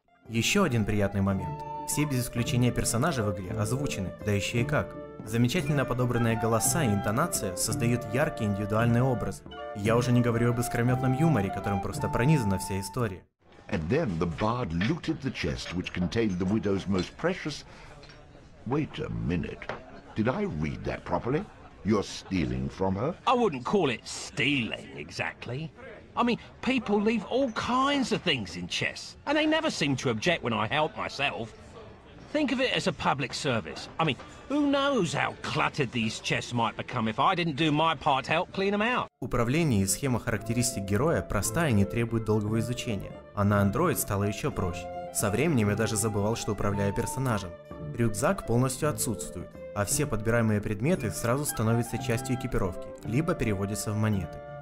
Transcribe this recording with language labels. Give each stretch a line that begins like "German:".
Russian: Еще один приятный момент. Все без исключения персонажи в игре озвучены, да еще и как. Замечательно подобранные голоса и интонация создают яркий индивидуальный образ. Я уже не говорю об искрометном юморе, которым просто пронизана вся история.
English: And then the bard looted the chest, which contained the widow's most precious... Wait a minute. Did I read that properly? You're stealing from her? I wouldn't call it stealing, exactly. I mean, people leave all kinds of things in chests, and they never seem to object when I help myself. Think of it as a public service. I mean, who knows how cluttered these chests might become if I didn't do my part to help clean them out.
Russian: Управление и схема характеристик героя простая и не требует долгого изучения, а на Android стало еще проще. Со временем я даже забывал, что управляю персонажем. Рюкзак полностью отсутствует, а все подбираемые предметы сразу становятся частью экипировки, либо переводятся в монеты.